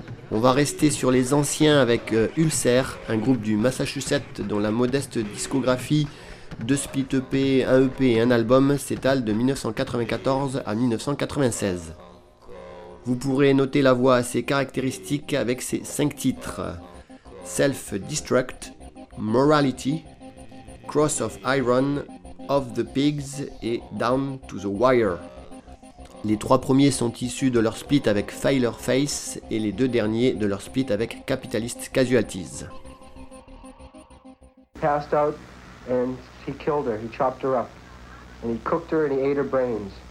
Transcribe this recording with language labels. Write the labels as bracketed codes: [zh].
[fr] On va rester sur les anciens avec Ulcer, un groupe du Massachusetts dont la modeste discographie, deux split EP, un EP et un album, s'étale de 1994 à 1996. Vous pourrez noter la voix assez caractéristique avec ses 5 titres. Self-Destruct, Morality, Cross of Iron, Of the Pigs et Down to the Wire. Les trois premiers sont issus de leur split avec Failure Face et les deux derniers de leur split avec Capitalist Casualties. [en] Passed out and he killed her, he chopped her up and he cooked her and he ate her brains.